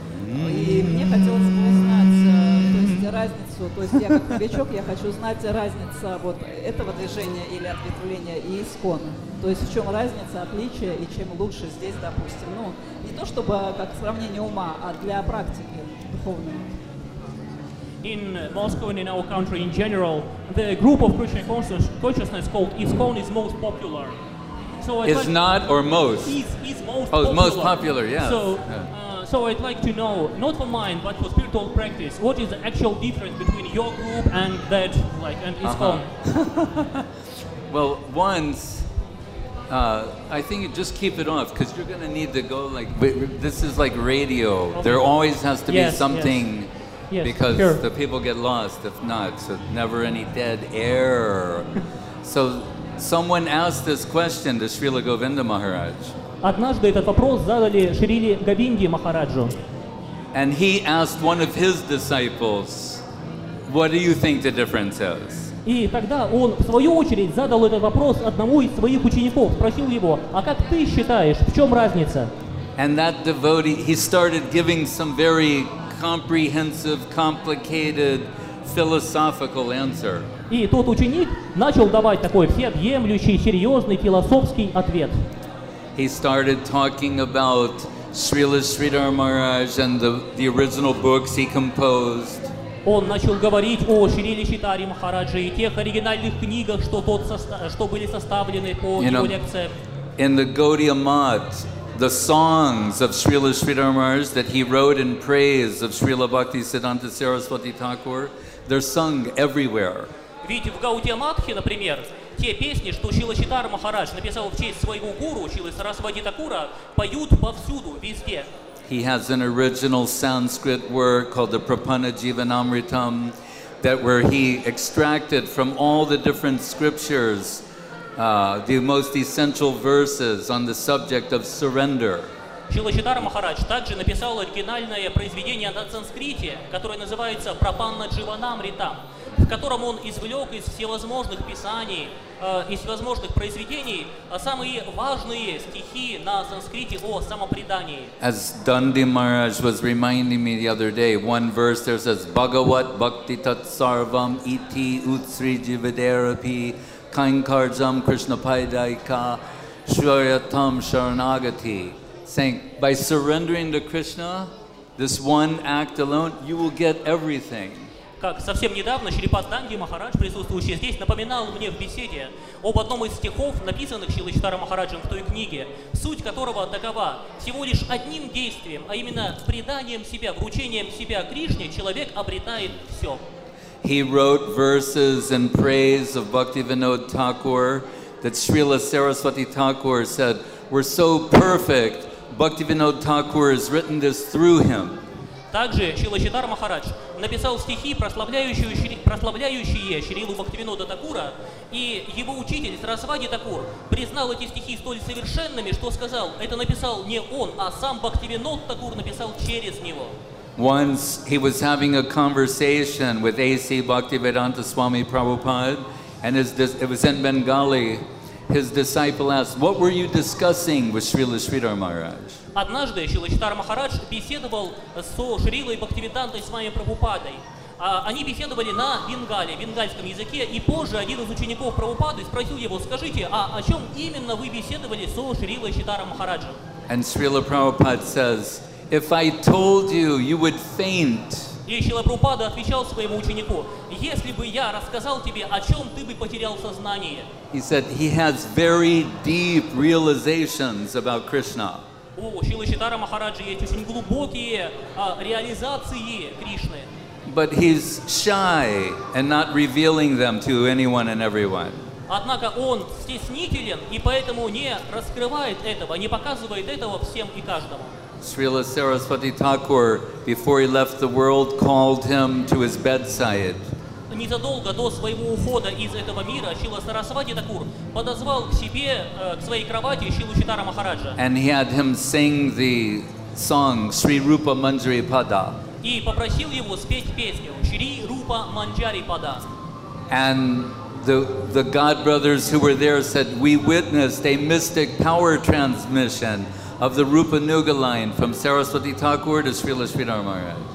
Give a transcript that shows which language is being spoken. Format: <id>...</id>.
<ru>И мне хотелось бы узнать, то есть разницу, то есть я как новичок, я хочу знать разницу вот этого движения или ответвления и ИСККОН. То есть в чем разница, отличие и чем лучше здесь, допустим. Ну, не то чтобы как сравнение ума, а для практики духовной.</ru> <en>In Moscow and in our country in general, the group of Krishna consciousness called ISKCON is most popular. So it's like not or most. Is most popular. Oh, most popular, yeah. So I'd like to know, not for mind, but for spiritual practice, what is the actual difference between your group and that, like, and ISKCON? Uh-huh. Well, once, I think you just keep it off, because you're going to need to go, like, this is like radio. Okay. There always has to be something. Yes. Yes, because sure. The people get lost if not, so never any dead air. So someone asked this question to Srila Govinda Maharaj.</en> <ru>Однажды этот вопрос задали Шриле Говинде Махараджу.</ru> <en>And he asked one of his disciples, what do you think the difference is?</en> <ru>И тогда он в свою очередь задал этот вопрос одному из своих учеников, спросил его, а как ты считаешь, в чем разница?</ru> <en>And that devotee, he started giving some very comprehensive, complicated, philosophical answer.</en> <ru>И тот ученик начал давать такой всеобъемлющий, серьезный, философский ответ.</ru> <en>He started talking about Srila Sridhar Maharaj and the original books he composed.</en> <ru>Он начал говорить о Шриле Шридхаре Махарадже и тех оригинальных книгах, что были составлены по его лекциям.</ru> <en>In the Gaudiya Math, the songs of Srila Sridhar Maharaj that he wrote in praise of Srila Bhakti Siddhanta Saraswati Thakur, they're sung everywhere.</en> <ru>Ведь в Гаудия Матхе, например, те песни, что Шрила Читар Махарадж написал в честь своего гуру, Шрилы Сарасвати Такура, поют повсюду, везде.</ru> <en>He has an original Sanskrit work called the Prapanna Jivanamritam that where he extracted from all the different scriptures the most essential verses on the subject of surrender.</en> <ru>Шрила Читар Махарадж также написал оригинальное произведение на санскрите, которое называется Прапанна Дживанамритам, в котором он извлек из всевозможных писаний, из всевозможных произведений самые важные стихи на санскрите о самопредании.</ru> <en>As Dandi Maharaj was reminding me the other day, one verse there says,</en> <sa>Bhagavat Bhakti Tat Sarvam Iti Utsri Jivadarapi Kankarjam Krishna Paidaika Shuryatam Sharanagati,</sa> <en>saying, by surrendering to Krishna, this one act alone, you will get everything.</en> <ru>Как совсем недавно Шрипад Данги Махарадж, присутствующий здесь, напоминал мне в беседе об одном из стихов, написанных Шрилой Читара Махараджем в той книге, суть которого такова. Всего лишь одним действием, а именно преданием себя, вручением себя Кришне, человек обретает все.</ru> <en>He wrote verses in praise of Bhaktivinoda Thakur that Srila Saraswati Thakur said, we're so perfect, Bhaktivinoda Thakur has written this through him.</en> <ru>Также Шрила Читар Махарадж написал стихи, прославляющие Шрилу Бхактивинода Такура, и его учитель Сарасвати Такур признал эти стихи столь совершенными, что сказал, это написал не он, а сам Бхактивинод Такур написал через него.</ru> <en>Once he was having a conversation with A.C. Bhaktivedanta Swami Prabhupada, and it was in Bengali, his disciple asked, what were you discussing with Srila Sridhar Maharaj?</en> <ru>Однажды Шрила Читара Махарадж беседовал со Шрилой Бхактивидантой Свами Прабхупадой. Они беседовали на бенгале, бенгальском языке, и позже один из учеников Прабхупады спросил его, скажите, а о чем именно вы беседовали со Шрилой Читара Махараджем?</ru> <en>And Srila Prabhupada says, if I told you, you would faint.</en> <ru>И Шрила Прабхупада отвечал своему ученику, если бы я рассказал тебе, о чем ты бы потерял сознание.</ru> <en>He said, he has very deep realizations about Krishna.</en> <ru>У Шрилы Читара Махараджи есть очень глубокие реализации Кришны.</ru> <en>But he's shy and not revealing them to anyone and everyone.</en> <ru>Однако он стеснителен и поэтому не раскрывает этого, не показывает этого всем и каждому.</ru> <en>Srila Saraswati Thakur, before he left the world, called him to his bedside.</en> <ru>Незадолго до своего ухода из этого мира Шрила Сарасвати Такур подозвал к себе, к своей кровати Шрилу Читара Махараджа.</ru> <en>And he had him sing the song Sri Rupa Manjari Pada.</en> <ru>И попросил его спеть песню Sri Rupa Manjari Pada.</ru> <en>And the God brothers who were there said, we witnessed a mystic power transmission of the Rupa Nuga line from Saraswati Thakur to Srila Sridhar Maharaj.</en>